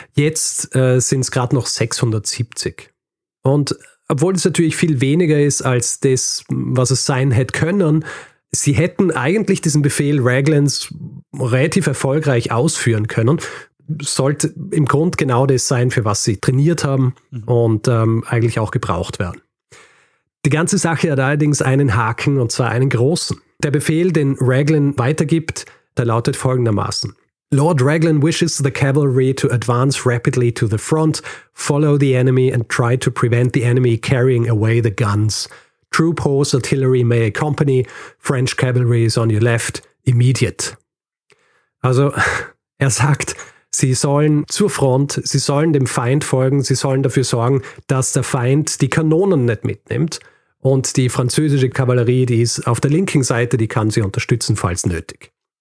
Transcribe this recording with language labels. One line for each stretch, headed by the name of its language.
German: Jetzt sind es gerade noch 670. Und obwohl es natürlich viel weniger ist als das, was es sein hätte können, sie hätten eigentlich diesen Befehl Raglans relativ erfolgreich ausführen können. Sollte im Grund genau das sein, für was sie trainiert haben und eigentlich auch gebraucht werden. Die ganze Sache hat allerdings einen Haken, und zwar einen großen. Der Befehl, den Raglan weitergibt, der lautet folgendermaßen.
English: Lord Raglan wishes the cavalry to advance rapidly to the front, follow the enemy and try to prevent the enemy carrying away the guns. Troop horse artillery may accompany, French cavalry is on your left, immediate.
German: Also, er sagt, sie sollen zur Front, sie sollen dem Feind folgen, sie sollen dafür sorgen, dass der Feind die Kanonen nicht mitnimmt. Und die französische Kavallerie, die ist auf der linken Seite, die kann sie unterstützen, falls nötig.